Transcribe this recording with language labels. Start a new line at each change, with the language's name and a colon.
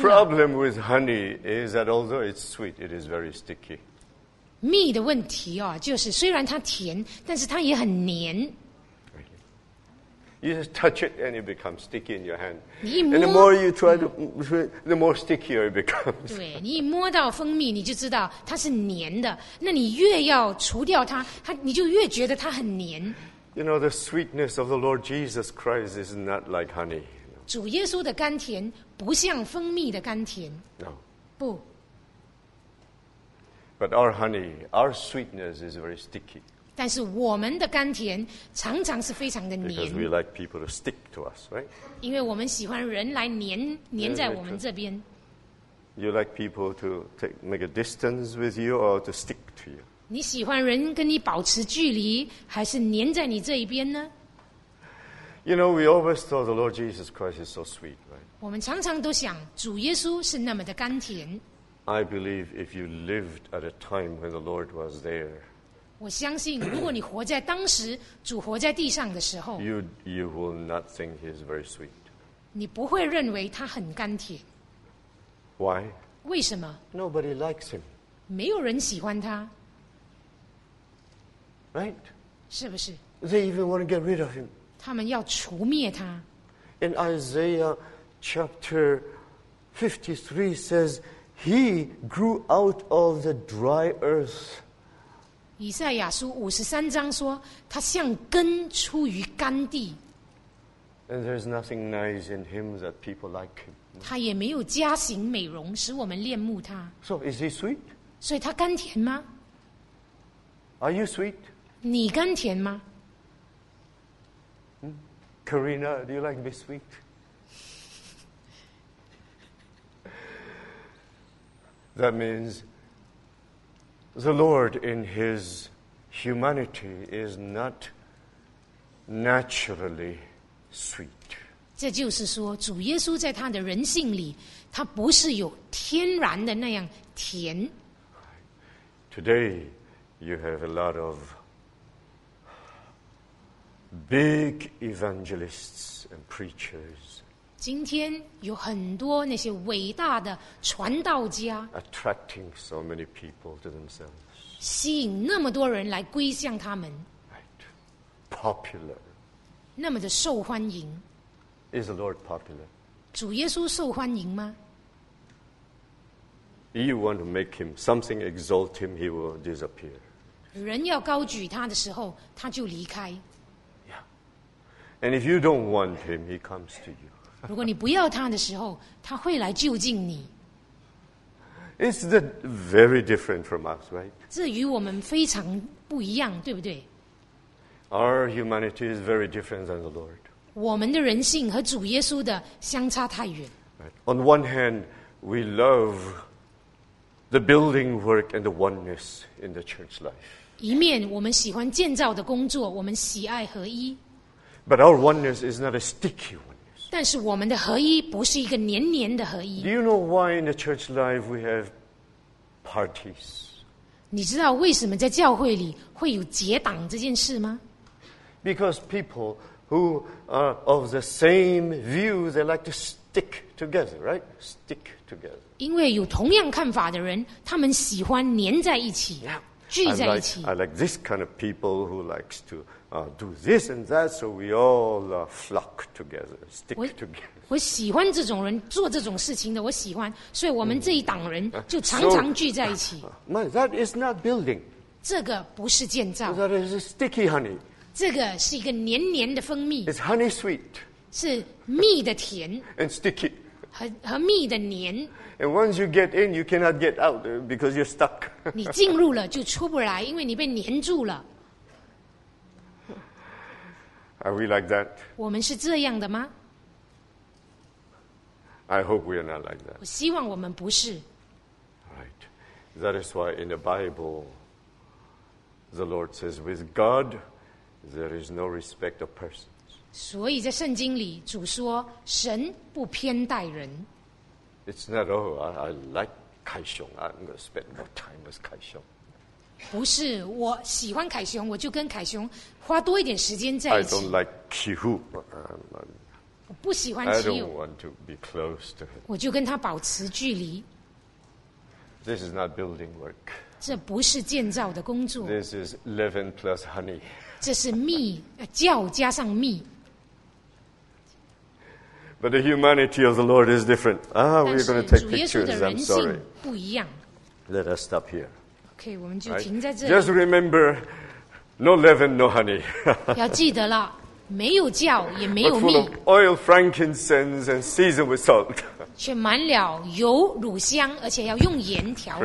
English: The problem with honey is that although it's sweet, it is very sticky.
Chinese: 蜜的问题哦，就是虽然它甜，但是它也很黏。
English: You just touch it and it becomes sticky in your hand.
Chinese: 你一摸
English: and the more you try to, the more stickier it becomes.
Chinese: 对，你一摸到蜂蜜，你就知道它是黏的。那你越要除掉它，它你就越觉得它很黏。
English: You know the sweetness of the Lord Jesus Christ is not like honey.
Chinese: 主耶稣的甘甜不像蜂蜜的甘甜。
English: No.
Chinese: 不。
English: But our honey, our sweetness is very sticky.
Chinese: 但是我们的甘甜常常是非常的黏。
English: Because we like people to stick to us, right?
Chinese: 因为我们喜欢人来黏在我们这边。
English: You like people to make a distance with you or to stick to you?
Chinese: 你喜欢人跟你保持距离，还是黏在你这一边呢？
English: You know, we always thought the Lord Jesus Christ is so sweet, right?
Chinese: 我们常常都想主耶稣是那么的甘甜。
English: I believe if you lived at a time when the Lord was there.
Chinese: 我相信，如果你活在当时主活在地上的时候
English: ，you will not think he is very sweet.
Chinese: 你不会认为他很甘甜。
English: Why?
Chinese: 为什么
English: ？Nobody likes him.
Chinese: 没有人喜欢他。
English: Right?
Chinese: 是不是
English: ？They even want to get rid of him.
Chinese: 他们要除灭他。
English: In Isaiah chapter 53 says he grew out of the dry earth.
Chinese: 以赛亚书五十三章说，他像根出于干地。
English: And there's nothing nice in him that people like him.
Chinese: 他也没有加行美容使我们恋慕他。
English: So is he sweet?
Chinese: 所以他甘甜吗
English: ？Are you sweet?
Chinese: 你甘甜吗
English: ？Karina, do you like to be sweet? That means. The Lord in His humanity is not naturally sweet.
Chinese: 这就是说，主耶稣在他的人性里，他不是有天然的那样甜。
English: Today, you have a lot of big evangelists and preachers.
Chinese: 今天有很多那些伟大的传道家
English: attracting so many people to themselves.
Chinese: 吸引那么多人来归向他们
English: right. Popular
Chinese: 那么的受欢迎
English: Is the Lord popular?
Chinese: 主耶稣受欢迎吗
English: You want to make him something exalt him he will disappear
Chinese: 人要高举他的时候，他就离开。
English: Yeah. And if you don't want him, he comes to you.
Chinese: 如果你不要他的时候，他会来就近你。
English: Isn't that very different from us, right?
Chinese: 这与我们非常不一样，对不对？
English: Our humanity is very different than the Lord.
Chinese: 我们的人性和主耶稣的相差太远。
English: Right. On one hand, we love the building work and the oneness in the church life.
Chinese: 一面我们喜欢建造的工作，我们喜爱合一。
English: But our oneness is not a sticky one.
Chinese: 但是我们的合一不是一个黏黏的合一。
English: Do you know why in the church life we have parties?
Chinese: 你知道为什么在教会里会有结党这件事吗？
English: Because people who are of the same view, they like to stick together, right? Stick together.
Chinese: 因为有同样看法的人，他们喜欢黏在一起，
English: yeah.
Chinese: 聚在一起。
English: I like this kind of people who likes to. Do this and that, so we all flock together, stick together.
Chinese: 我喜欢这种人做这种事情的，我喜欢，所以我们这一党人就常常聚在一起。
English: That is not building.
Chinese: 这个不是建造。
English: That is sticky honey.
Chinese: 这个是一个黏黏的蜂蜜。
English: It's honey sweet.
Chinese: 是蜜的甜。
English: And sticky.
Chinese: 和蜜的黏。
English: And once you get in, you cannot get out because you're stuck.
Chinese: 你进入了就出不来，因为你被黏住了。
English: Are we like that?
Chinese: 我们是这样的吗？
English: I hope we are not like that.
Chinese: 我希望我们不是。
English: Right. That is why in the Bible, the Lord says, with God, there is no respect of persons.
Chinese: 所以在圣经里，主说，神不偏待人。
English: It's not, oh, I like Kai Xiong, I'm going to spend more time with Kai Xiong.
Chinese: 不是我喜欢凯雄，我就跟凯雄花多一点时间在一起。
English: I don't like Kihu. I'm
Chinese: 我不喜欢 Kihu.
English: I don't want to be close to him.
Chinese: 我就跟他保持距离。
English: This is not building work.
Chinese: 这不是建造的工作。
English: This is leaven plus honey.
Chinese: 这是蜜，酵加上蜜。
English: But the humanity of the Lord is different. Ah, we're going to take pictures. I'm sorry.
Chinese: 不一样。
English: Let us stop here.
Chinese: Okay, 我们就停在这里。
English: Just remember, no leaven, no honey.
Chinese: 要记得了，没有酵，也没有蜜。
English: But full of oil, frankincense, and seasoned with salt.
Chinese: 却满了油、乳香，而且要用盐调和。